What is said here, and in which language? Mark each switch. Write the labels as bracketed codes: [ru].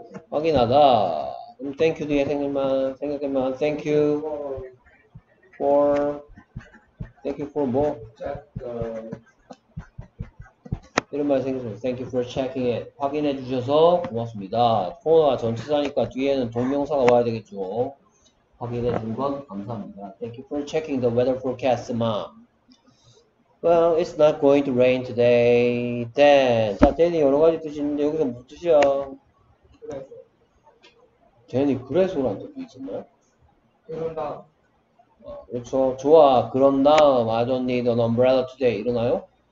[ko] 확인하다. [en] Thank you [ko] 뒤에 생각만 [en] thank you for thank you for 뭐? Check, [ko] 이런 말 생겼어요. [en] Thank you for checking it. [ko] 확인해 주셔서 고맙습니다. 코너가 전치사니까 뒤에는 동명사가 와야 되겠죠. 확인해 준 건 감사합니다. [en] Thank you for checking the weather forecast, ma. Well, it's not going to rain today, then. [ko] 자, 댄이 여러 가지 뜻이 있는데 여기서 무슨 뜻이야? 댄이 그래서라는 뜻이 있었나요? 그런 다음. 아, 그렇죠. 좋아. 그런 다음. [en] I don't need an umbrella today. [ko] 이러나요?